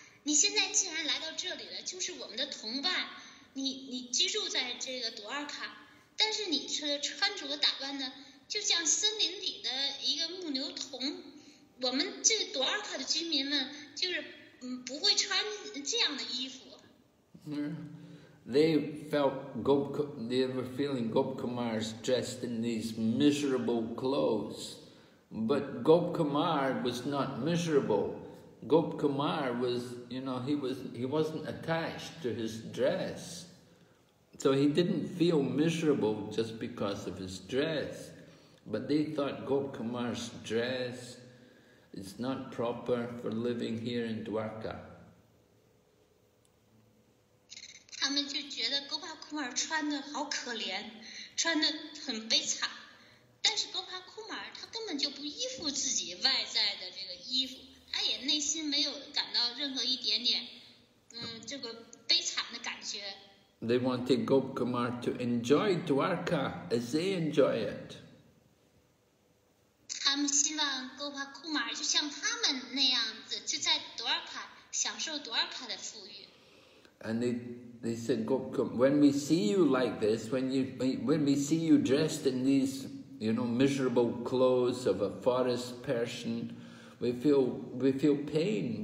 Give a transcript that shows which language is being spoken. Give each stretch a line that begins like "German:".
Chinese: 你现在既然来到这里了，就是我们的同伴，你居住在这个多尔卡，但是你穿着打扮呢，就像森林里的一个牧牛童。我们这多尔卡的居民们就是不会穿这样的衣服。
English: They felt they were feeling Gop Kumar's dressed in these miserable clothes, but Gop Kumar was not miserable. Gop Kumar was, you know, he wasn't attached to his dress, so he didn't feel miserable just because of his dress. But they thought Gop Kumar's dress. It's not proper for living here in Dwarka.
Chinese: 他们就觉得 Gopakumar 穿得好可怜，穿得很悲惨。但是 Gopakumar 他根本就不依附自己外在的这个衣服，他也内心没有感到任何一点点，这个悲惨的感觉。
English: They wanted Gopakumar to enjoy Dwarka as they enjoy it.
Chinese: 他们希望 Gopakumar 就像他们那样子，就在 Dwarka 享受 Dwarka 的富裕。
English: And they said, Gopakumar, when we see you like this, when we see you dressed in these, you know, miserable clothes of a forest person, we feel pain.